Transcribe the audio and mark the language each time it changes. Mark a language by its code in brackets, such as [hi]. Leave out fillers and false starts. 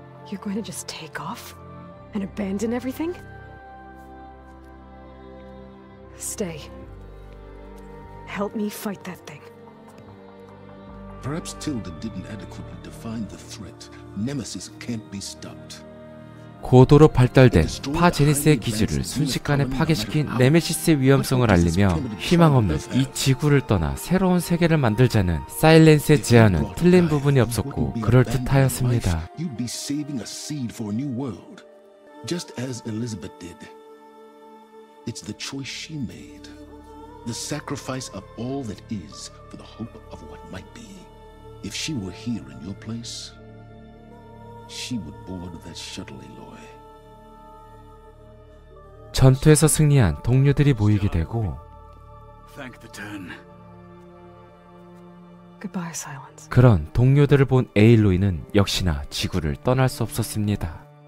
[en] You're going to just take off and abandon everything? Stay. Help me fight that thing. Perhaps Tilda didn't adequately define the threat. Nemesis can't be stopped. [ko] 고도로 발달된 파제니스의 기지를 순식간에 파괴시킨 네메시스의 위험성을 알리며 희망 없는 이 지구를 떠나 새로운 세계를 만들자는 사일렌스의 제안은 틀린 부분이 없었고 그럴듯하였습니다. [en] You'd be saving a seed for a new world, just as Elizabeth did. It's the choice she made. The sacrifice of all that is for the hope of what might be. If she were here in your place, she would board that shuttle, Eloy. [ko] 전투에서 승리한 동료들이 모이게 되고 [en] Thank the turn. Goodbye, Silence. [ko] 그런 동료들을 본 에일로이는 역시나 지구를 떠날 수 없었습니다.